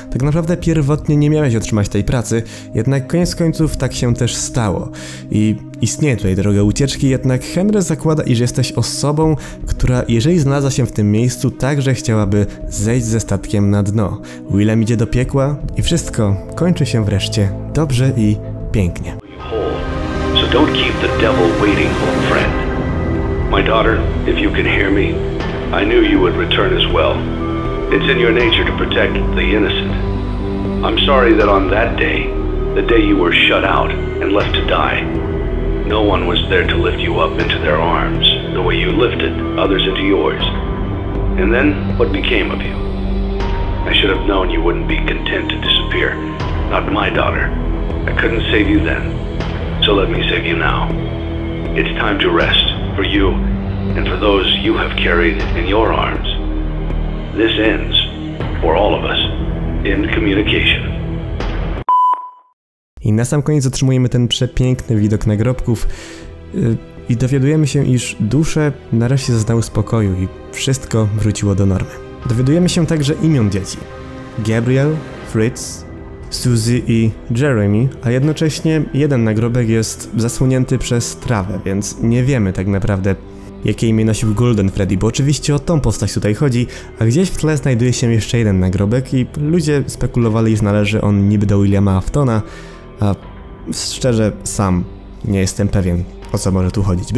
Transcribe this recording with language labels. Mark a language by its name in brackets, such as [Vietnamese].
[Polish] Tak naprawdę pierwotnie nie miałeś otrzymać tej pracy, jednak koniec końców tak się też stało. I istnieje tutaj droga ucieczki, jednak Henry zakłada, iż jesteś osobą, która jeżeli znalazła się w tym miejscu, także chciałaby zejść ze statkiem na dno. Willem idzie do piekła i wszystko kończy się wreszcie dobrze i pięknie. [English] So don't keep the devil waiting, old friend. My daughter, if you can hear me, I knew you would return as well. It's in your nature to protect the innocent. I'm sorry that on that day, the day you were shut out and left to die, no one was there to lift you up into their arms the way you lifted others into yours. And then, what became of you? I should have known you wouldn't be content to disappear. Not my daughter. I couldn't save you then. So let me save you now. It's time to rest for you and for those you have carried in your arms. This ends for all of us in communication. [Polish] I na sam koniec otrzymujemy ten przepiękny widok nagrobków i dowiadujemy się, iż dusze nareszcie zaznały spokoju i wszystko wróciło do normy. Dowiadujemy się także imion dzieci. Gabriel, Fritz, Suzy i Jeremy, a jednocześnie jeden nagrobek jest zasłonięty przez trawę, więc nie wiemy tak naprawdę, jakie imię nosił Golden Freddy, bo oczywiście o tą postać tutaj chodzi, a gdzieś w tle znajduje się jeszcze jeden nagrobek i ludzie spekulowali, że należy on niby do Williama Aftona, a szczerze sam nie jestem pewien, o co może tu chodzić.